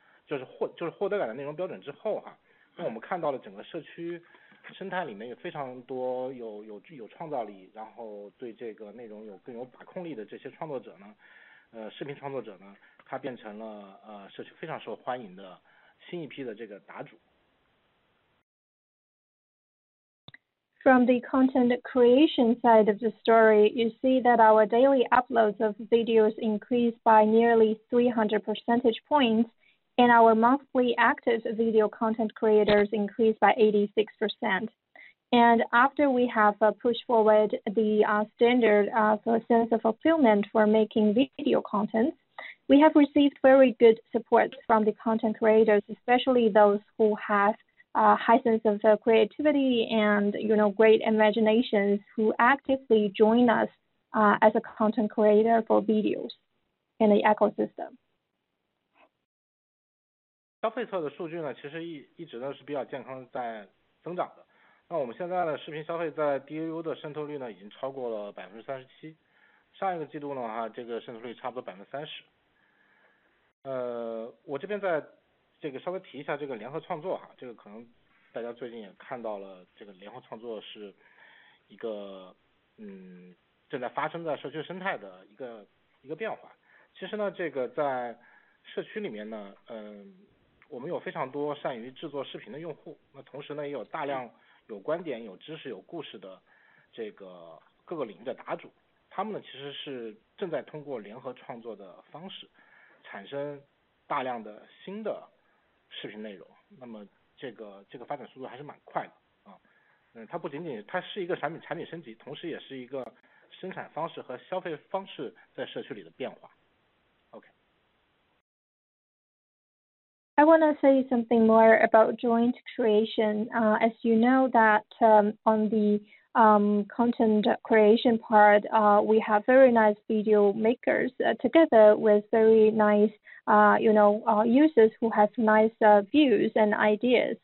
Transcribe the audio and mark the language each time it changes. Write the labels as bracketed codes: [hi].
[zh] 就是获得感的内容标准之后哈，那我们看到了整个社区生态里面有非常多有创造力，然后对这个内容有更有把控力的这些创作者呢，视频创作者呢，他变成了社区非常受欢迎的新一批的这个答主。 [en] From the content creation side of the story, you see that our daily uploads of videos increased by nearly 300 percentage points. And our monthly active video content creators increased by 86%. And after we have pushed forward the standard of a sense of fulfillment for making video content, we have received very good support from the content creators, especially those who have a high sense of creativity and, you know, great imaginations who actively join us as a content creator for videos in the ecosystem. [zh] 消费侧的数据呢，其实一直呢是比较健康在增长的。那我们现在呢，视频消费在 DAU 的渗透率呢已经超过了37%，上一个季度呢哈，这个渗透率差不多30%。我这边在这个稍微提一下这个联合创作哈，这个可能大家最近也看到了，这个联合创作是一个正在发生在社区生态的一个变化。其实呢，这个在社区里面呢，我们有非常多善于制作视频的用户，那同时呢也有大量有观点、有知识、有故事的这个各个领域的答主，他们呢其实是正在通过联合创作的方式产生大量的新的视频内容，那么这个发展速度还是蛮快的啊。它不仅仅它是一个产品升级，同时也是一个生产方式和消费方式在社区里的变化。 [en] I want to say something more about joint creation. As you know that on the content creation part, we have very nice video makers together with very nice, users who have nice views and ideas.